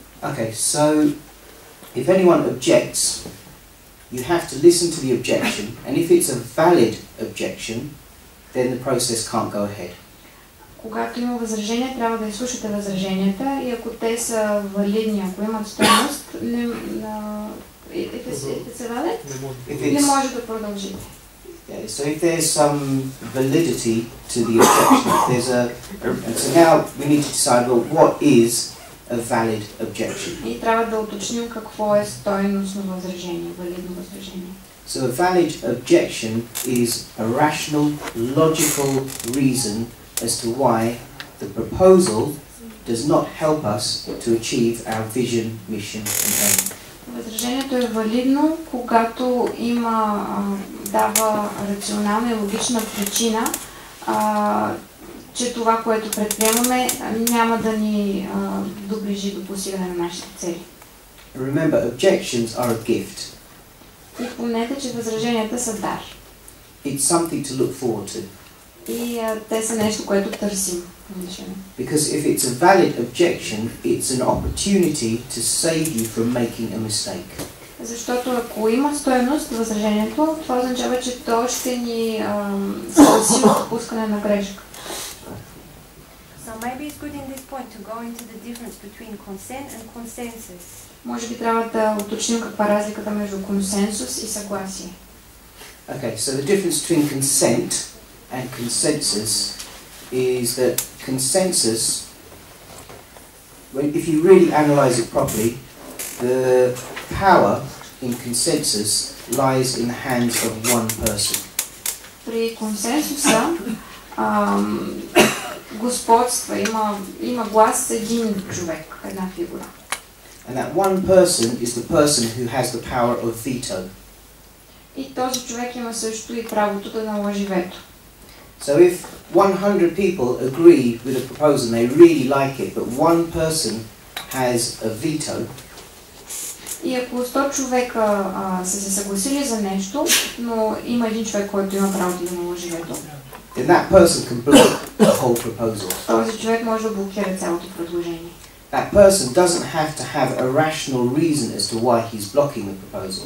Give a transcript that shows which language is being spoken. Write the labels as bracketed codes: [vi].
[en] Okay, so if anyone objects, you have to listen to the objection, and if it's a valid objection, then the process can't go ahead. [bg] Когато има възражение, трябва да изслушате възраженията, и ако те са валидни, ако имат стойност, не може да продължите. [en] Okay, so if there's some validity to the objection, there's so now we need to decide, well, what is a valid objection? [bg] И трябва да уточним какво е стойност на възражение, валидно възражение. [en] So a valid objection is a rational, logical reason as to why the proposal does not help us to achieve our vision, mission and aim. [bg] Възражението е валидно, когато има дава рационална и логична причина, че това, което предприемаме, няма да ни доближи до постигане на нашите цели. [en] Remember, objections are a gift. [bg] И помнете, че възраженията са дар. [en] It's something to look forward to. [bg] И те са нещо, което търсим. [en] Because if it's a valid objection, it's an opportunity to save you from making a mistake. [bg] Защото ако има стойност възражението, това означава, че то ще ни спаси от допускане на грешка. [en] So maybe it's good in this point to go into the difference between consent and consensus. [bg] Може би трябва да уточним каква е разликата между консенсус и съгласие. [en] Okay, so the difference between consent and consensus is that consensus, if you really analyze it properly, the power in consensus lies in the hands of one person. [bg] При консенсуса господства, има глас един човек, една фигура. [en] And that one person is the person who has the power of veto. [bg] И този човек има също и правото да наложи вето. [en] So if 100 people agree with a proposal and they really like it, but one person has a veto. [bg] И ако 100 човека са се съгласили за нещо, но има един човек, който има правото да наложи вето. [en] then that person can block the whole proposal. [bg] Този човек може да блокира цялото предложение. [en] That person doesn't have to have a rational reason as to why he's blocking the proposal.